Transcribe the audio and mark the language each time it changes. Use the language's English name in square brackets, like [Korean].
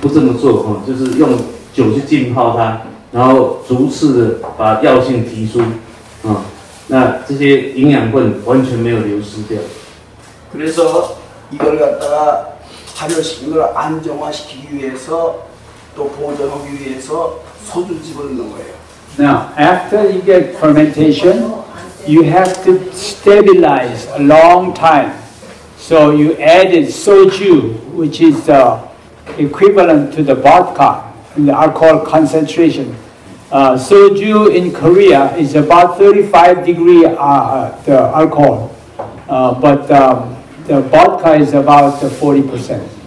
[Chinese] 比如说炮制中药的时候，我们用透过火去弄的话，这些材料里面的药性全部被一次取出，那就变成只有渣渣了。但是在自然农业不这么做，就是用 酒去浸泡它，然后逐次的把药性提出，那这些营养分完全没有流失掉。 [Korean] 그래서 이걸 갖다가 발효식물을 안정화시키기 위해서 또 보존하기 위해서 소주 집어넣는 거예요. [English] Now after you get fermentation, you have to stabilize a long time. So you added soju, which is equivalent to the vodka. The alcohol concentration. Soju in Korea is about 35 degree the alcohol, but the vodka is about 40%.